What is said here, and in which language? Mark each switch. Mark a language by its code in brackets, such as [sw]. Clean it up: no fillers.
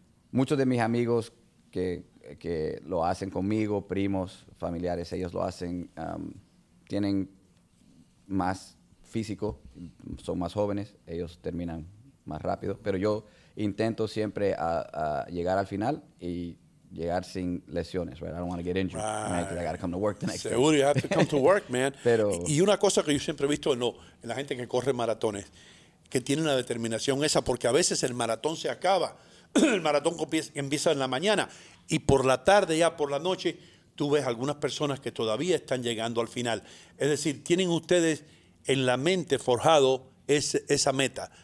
[es] Muchos de mis amigos que lo hacen conmigo, primos, familiares, ellos lo hacen, tienen más físico, son más jóvenes, ellos terminan más rápido. Pero yo intento siempre a llegar al final y... llegar sin lesiones, [en] right? I don't want to get injured. Right. I got to come to work the next day. Seguro, you have to come to work, man. [es] Pero, y una cosa que yo siempre he visto en la gente que corre maratones, que tiene una determinación esa, porque a veces el maratón se acaba. El maratón empieza en la mañana. Y por la tarde, ya por la noche, tú ves algunas personas que todavía están llegando al final. Es decir, tienen ustedes en la mente forjado esa meta.